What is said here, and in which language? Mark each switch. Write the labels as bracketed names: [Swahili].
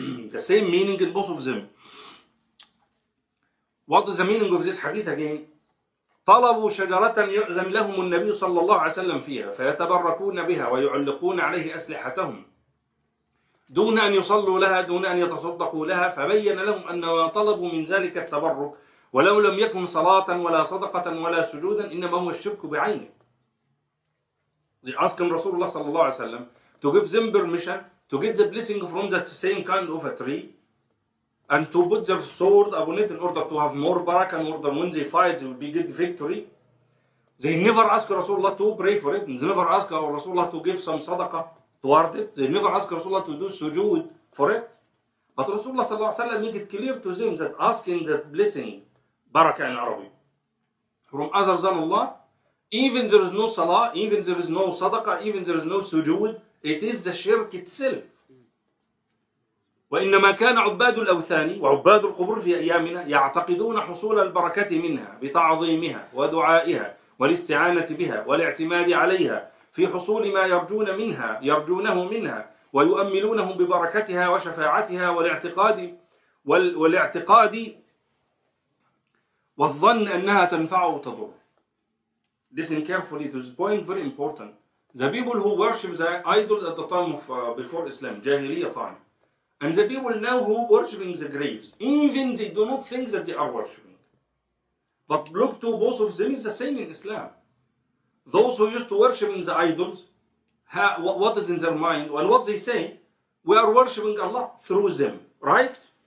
[English] The same meaning in both of them. What is the meaning of this hadith again? [Arabic] طلبوا شجرة يؤذن لهم النبي صلى الله عليه وسلم فيها فيتبركون بها ويعلقون عليه أسلحتهم دون أن يصلوا لها دون أن يتصدقوا لها فبين لهم أن طلبوا من ذلك التبرك ولو لم يكن صلاة ولا صدقة ولا سجودا إنما هو الشرك بعينه. [English] They ask him, رسول الله صلى الله عليه وسلم, to give them permission to get the blessing from that same kind of a tree and to put their sword upon it in order to have more barakah, in order when they fight they will be good victory. they never ask رسول الله to pray for it, they never ask رسول الله to give some صدقه toward it, they never ask رسول الله to do سجود for it. But رسول الله صلى الله عليه وسلم make it clear to them that asking the blessing بركة in Arabic from other than Allah, even there is no salah, even there is no صدقه, even there is no سجود, it is the shirk itself. [Arabic] وإنما كان عباد الأوثان وعباد القبور في أيامنا يعتقدون حصول البركة منها بتعظيمها ودعائها والاستعانة بها والاعتماد عليها في حصول ما يرجون منها يرجونه منها ويؤملونهم ببركتها وشفاعتها والاعتقاد والظن أنها تنفع وتضر. [English] Listen carefully to this point, very important. The people who worship the idols at the time of before Islam, جاهلية time. And the people now who are worshipping the graves, even they do not think that they are worshipping. But look to both of them, it's the same in Islam. Those who used to worship in the idols, what is in their mind, and what they say, we are worshipping Allah through them, right?